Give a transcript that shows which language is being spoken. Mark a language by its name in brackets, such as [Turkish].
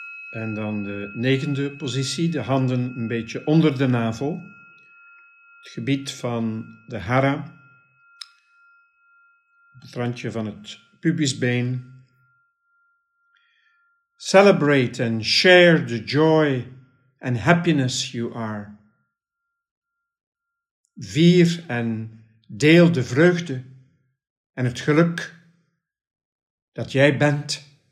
[Dutch] En dan de negende positie, de handen een beetje onder de navel. Het gebied van de hara. Het randje van het pubisbeen. [English] Celebrate and share the joy and happiness you are. [Dutch] Vier en deel de vreugde en het geluk dat jij bent.